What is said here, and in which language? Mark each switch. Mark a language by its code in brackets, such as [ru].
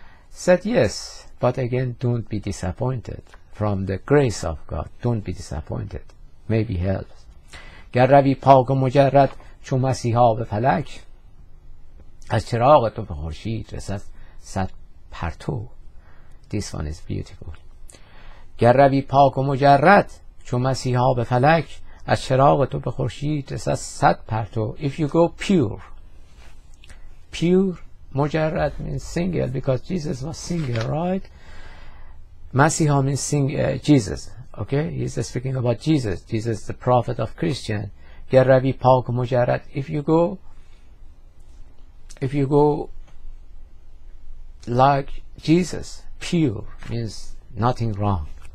[en] Said yes, but again don't be disappointed from the grace of God. Don't be disappointed. Maybe helps. [fa] گر روی پاک و مجرد چون مسیحا به فلک، از چراغ تو به خورشید رسد صد پرتو. [en] This one is beautiful. [fa] گر روی پاک و مجرد چون مسیحا به فلک، از چراغ تو به خورشید رسد صد پرتو. [en] If you go pure, مجرد means single, because Jesus was single, right? Masiha means sing Jesus. Okay, he's speaking about Jesus. Jesus, the prophet of Christian. [fa] Geravi paak mujarrad. [en] If you go like Jesus, pure means nothing wrong.